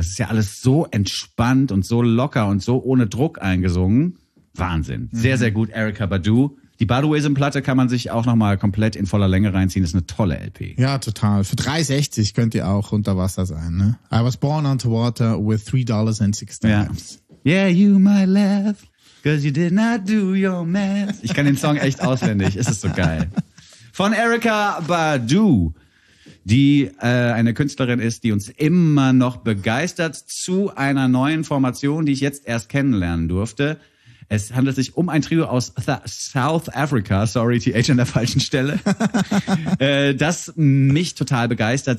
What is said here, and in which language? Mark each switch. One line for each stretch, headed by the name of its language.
German: Das ist ja alles so entspannt und so locker und so ohne Druck eingesungen. Wahnsinn. Mhm. Sehr, sehr gut, Erykah Badu. Die Baduism-Platte kann man sich auch nochmal komplett in voller Länge reinziehen. Das ist eine tolle LP. Ja, total. Für 3,60 könnt ihr auch unter Wasser sein, ne?
English: I was born underwater with $3.60.
German: Ja.
English: Yeah, you might laugh, 'cause you did not do your math.
German: Ich kann den Song echt auswendig. Es ist so geil. Von Erykah Badu, die eine Künstlerin ist, die uns immer noch begeistert, zu einer neuen Formation, die ich jetzt erst kennenlernen durfte. Es handelt sich um ein Trio aus South Africa, sorry, TH an der falschen Stelle, das mich total begeistert.